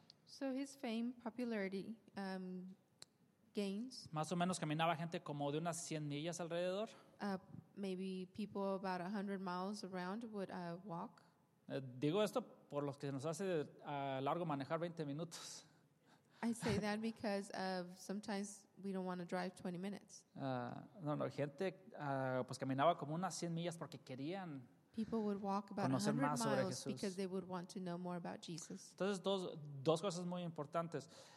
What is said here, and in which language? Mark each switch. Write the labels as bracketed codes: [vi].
[en] So his fame, popularity, gains. [es] Más o menos caminaba gente como de unas 100 millas alrededor. [en] Maybe people about 100 miles around would walk. [es] Digo esto por los que nos hace largo manejar 20 minutos. [en] I say that because of sometimes we don't want to drive 20 minutes. [es] Gente pues caminaba como unas 100 millas porque querían [en] people would walk about 100 miles because they would want to know more about Jesus. [es] Entonces dos cosas muy importantes.